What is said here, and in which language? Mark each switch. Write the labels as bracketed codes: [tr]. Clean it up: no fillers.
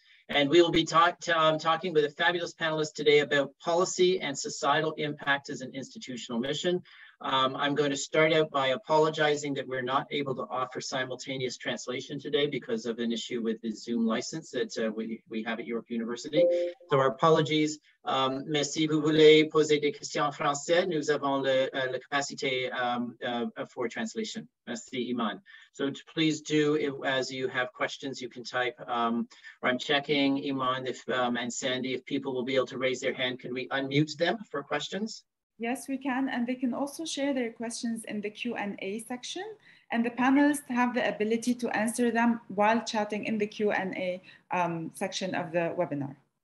[en] And we will be talking with a fabulous panelist today about policy and societal impact as an institutional mission. I'm going to start out by apologizing that we're not able to offer simultaneous translation today because of an issue with the Zoom license that we have at York University. So our apologies. [fr] Mais si vous voulez poser des questions en français, nous avons la capacité [en] for translation. [fr] Merci, Iman. [en] So please do, as you have questions, you can type. Or I'm checking, Iman and Sandy, if people will be able to raise their hand. Can we unmute them for questions? Yes, we can. And they can also share their questions in the Q&A section. And the panelists have the ability to answer them while chatting in the Q&A section of the webinar.